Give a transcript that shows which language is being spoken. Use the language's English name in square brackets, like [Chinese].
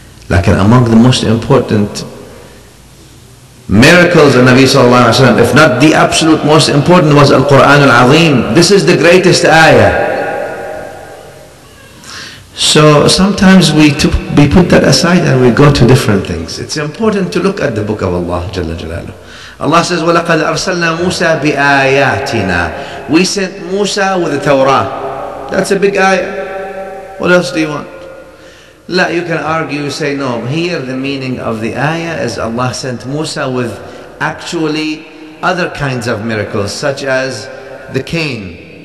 [English] لكن among the most important miracles of Nabi صلى الله عليه وسلم, if not the absolute most important, was Al-Quran Al-Azim. This is the greatest ayah. So sometimes we put that aside and we go to different things. It's important to look at the book of Allah Jalla Jalaluhu. Allah says, [Arabic] وَلَقَدْ أَرْسَلْنَا مُوسَى بِآيَاتِنَا. [English] We sent Musa with the Torah. That's a big ayah. What else do you want? La, you can argue, say no. Here the meaning of the ayah is Allah sent Musa with actually other kinds of miracles, such as the cane.